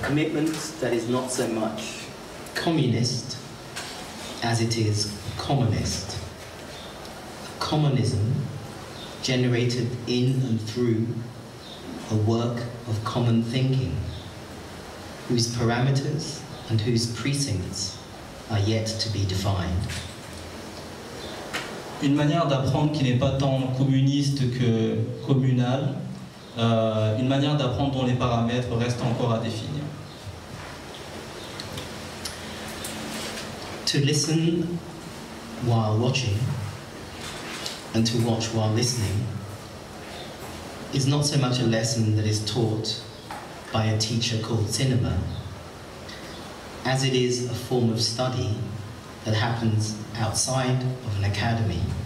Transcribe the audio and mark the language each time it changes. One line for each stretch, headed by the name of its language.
English: A commitment that is not so much communist as it is communist. Communism generated in and through a work of common thinking, whose parameters and whose precincts are yet to be defined.
French: Une manière d'apprendre qui n'est pas tant communiste que communale, une manière d'apprendre dont les paramètres restent encore à définir.
English: To listen while watching and to watch while listening is not so much a lesson that is taught by a teacher called cinema, as it is a form of study that happens outside of an academy.